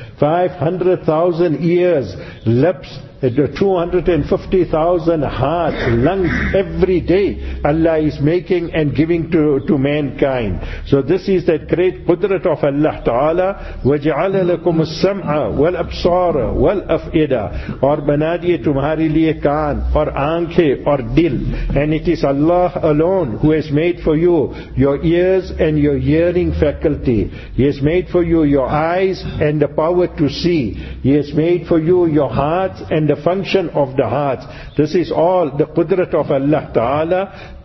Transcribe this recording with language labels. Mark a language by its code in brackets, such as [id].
[en] 500,000 ears, lips, 250,000 hearts, lungs every day Allah is making and giving to mankind. So this is that great Qudrat of Allah Ta'ala. [ar] وَجَعَلَ لَكُمُ السَّمْعَ وَالْأَبْصَارَ وَالْأَفْئِدَةَ. [ur] اور بنا دیئے تمہارے لئے کان اور آنکھیں اور دل. [en] And it is Allah alone who has made for you your ears and your hearing faculty. He has made for you your eyes and the power to see. He has made for you your hearts and the function of the hearts. This is all the Qudrat of Allah Ta'ala.